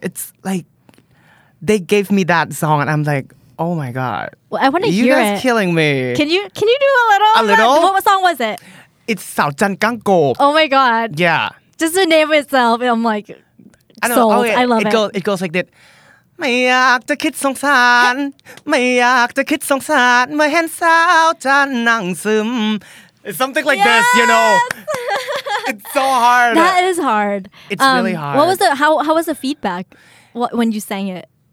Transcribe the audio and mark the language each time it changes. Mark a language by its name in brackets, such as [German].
[English] It's like, they gave me that song and I'm like, oh my God. Well, I want to hear it. You guys killing me. Can you do a little? A little? What song was it? It's Sao Jan Gang Go. Oh my god. Yeah. Just the name itself, I'm like, sold. Okay. I love it. It goes like that. [Thai] ไม่อยากจะคิดสงสารไม่อยากจะคิดสงสารเมื่อเห็นสาวจะนั่งซึม [English] It's something like yes! this, you know. It's so hard. That is hard. It's really hard. What was the how was the feedback when you sang it?